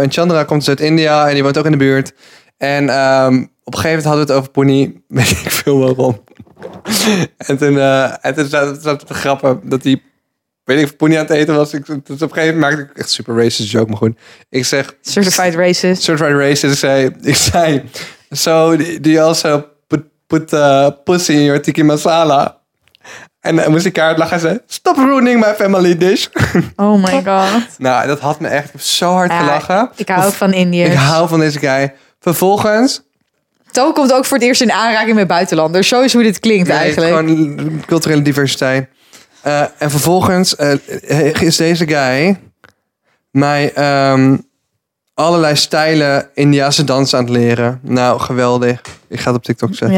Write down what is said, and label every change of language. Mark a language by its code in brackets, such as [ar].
[nl] En Chandra komt dus uit India en die woont ook in de buurt. En op een gegeven moment hadden we het over Pony. Weet ik veel waarom. en toen zat het te grappen dat die... Weet ik of Poenie aan het eten was. Dus op een gegeven moment maakte ik echt super racist joke, maar goed. Ik zeg... [en] Certified racist. Certified racist. [nl] Ik zei... [en] So, do you also put pussy in your tiki masala? [nl] En dan moest ik haar lachen en zei... [en] Stop ruining my family dish. Oh my god. [nl] Nou, dat had me echt zo hard gelachen. Ik hou van Indiërs. Ik hou van deze guy. Vervolgens... To komt ook voor het eerst in aanraking met buitenlanders. Zo is hoe dit klinkt eigenlijk. Gewoon culturele diversiteit. En vervolgens is deze guy mij allerlei stijlen Indiase dansen aan het leren. Nou, geweldig. Ik ga het op TikTok zetten.